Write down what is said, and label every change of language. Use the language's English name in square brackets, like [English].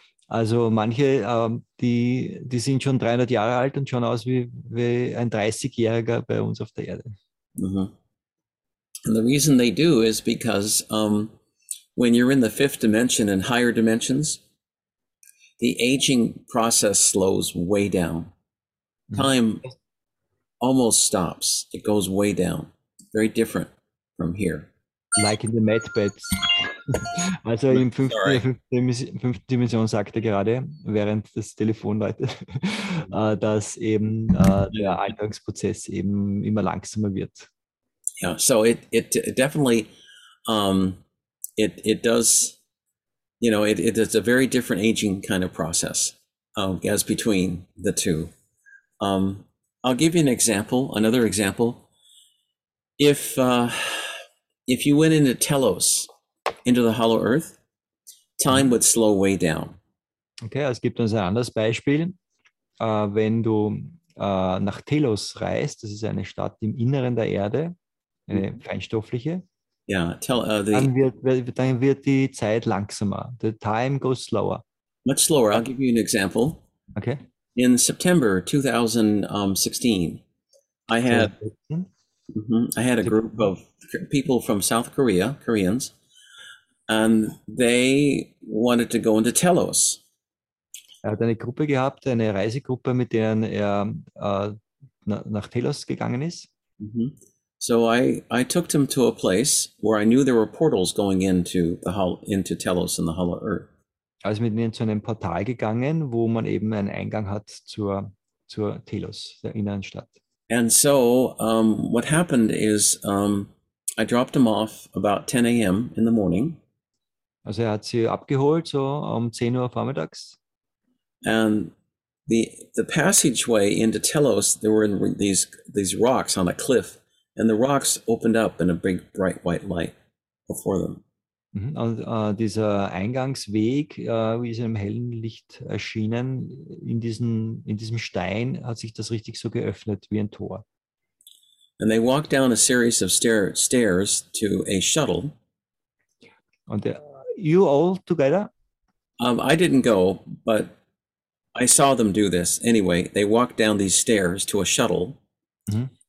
[German] Also manche, die sind schon 300 Jahre alt und schauen aus wie ein 30-Jähriger bei uns auf der Erde. Mm-hmm. [English] And the reason they do is because when you're in the fifth dimension and higher dimensions, the aging process slows way down. Time almost stops. It goes way down. Very different from here. Like in the med beds. [German] Also im fünften Dimension sagt er gerade, während das Telefon läutet, dass eben der Alterungsprozess eben immer langsamer wird. [English] Yeah, so it definitely it does. You know, it is a very different aging kind of process as between the two. I'll give you an example, another example. If you went into Telos, into the Hollow Earth, time would slow way down. [German] Okay, es gibt uns ein anderes Beispiel. Wenn du nach Telos reist, das ist eine Stadt im Inneren der Erde, eine feinstoffliche, [English] yeah, [German] dann wird die Zeit langsamer. [English] The time goes slower. Much slower. I'll give you an example. Okay. In September 2016, I had a group of people from South Korea, Koreans, and they wanted to go into Telos. [German] Er hat eine Gruppe gehabt, eine Reisegruppe, mit deren er nach Telos gegangen ist. Mm-hmm. [English] So I took them to a place where I knew there were portals going into Telos and the Hollow Earth. [German] Also mit ihnen zu einem Portal gegangen, wo man eben einen Eingang hat zur Telos, der inneren Stadt. [English] And so what happened is I dropped them off about 10 a.m. in the morning. [German] Also er hat sie abgeholt so um 10 Uhr vormittags. [English] And the passageway into Telos, there were these rocks on a cliff, and the rocks opened up in a big bright white light before them. [German] Und dieser Eingangsweg wie in einem hellen Licht erschienen, in diesem Stein hat sich das richtig so geöffnet wie ein Tor. [English] And they walked down a series of stairs to a shuttle. And you all together? I didn't go, but I saw them do this. Anyway, they walked down these stairs to a shuttle, mm-hmm.